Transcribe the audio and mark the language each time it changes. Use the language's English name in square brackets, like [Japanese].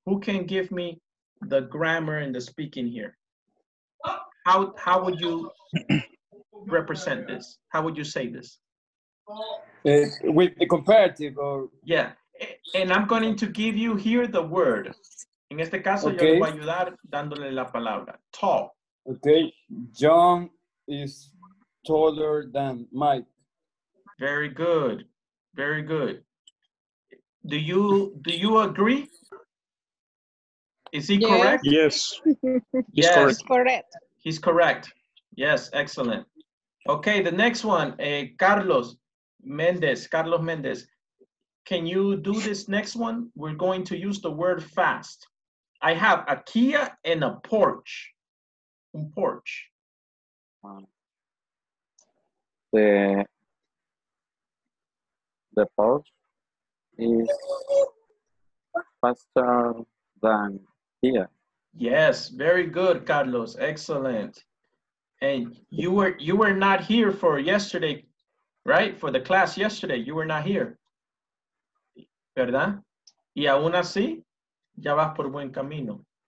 [English] Who can give me the grammar and the speaking here? How would you represent this? How would you say this? With the comparative or? Yeah, and I'm going to give you here the word. [Spanish] En este caso, okay. Yo le voy a ayudar dándole la palabra, tall. [English] Okay, John is taller than Mike. Very good. Very good. Do you agree? Is he correct? Yes. Yes. He's correct. He's correct. Yes, excellent. Okay, the next one, Carlos Mendez. Can you do this next one? We're going to use the word fast. I have a Kia and a porch. Un porch. The porch is faster than Kia. Yes, very good, Carlos. Excellent. And you were not here for yesterday, right? For the class yesterday, you were not here. [Spanish] ¿Verdad? Y aún así, ya vas por buen camino.